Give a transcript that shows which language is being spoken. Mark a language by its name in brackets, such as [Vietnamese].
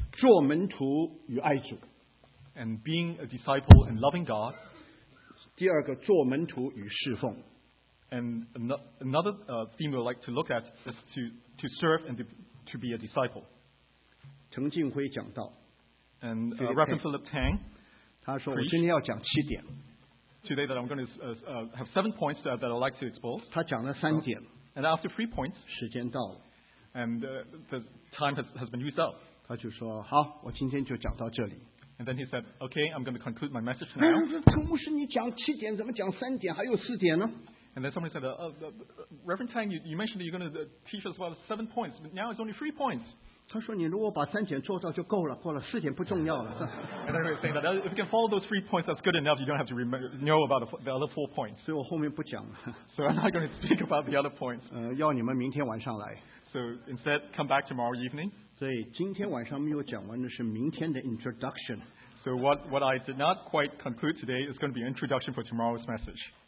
[Chinese] 做门徒与爱主, [English] and being a disciple and loving God. [Chinese] 第二个, 做门徒与侍奉, [English] and another theme we'd like to look at is to serve and to be a disciple. [Chinese] 程静辉讲道, [English] and Reverend Philip Tang, [Chinese] 他说, preached, 我今天要讲七点, [English] today that I'm going to have 7 points that I'd like to expose. [Chinese] 他讲了三点, [English] and after 3 points, [Chinese] 时间到了, [English] and the time has been used up. [Chinese] 他就说, 好, [English] and then he said, okay, I'm going to conclude my message now. [Chinese] 陈牧师你讲七点, 怎么讲三点, 还有四点呢? [English] And then somebody said, Reverend Tang, you mentioned that you're going to teach us about 7 points, but now it's only 3 points. [Chinese] 他说你如果把三点做到就够了，过了四点不重要了。And [English] then he's saying that if you can follow those 3 points, that's good enough. You don't have to know about the other 4 points. [Chinese] 所以我后面不讲了。So [English] I'm not going to speak about the other points. [Chinese] 要你们明天晚上来。So [English] instead, come back tomorrow evening. [Chinese] 所以今天晚上没有讲完的是明天的 introduction. [English] So what I did not quite conclude today is going to be an introduction for tomorrow's message.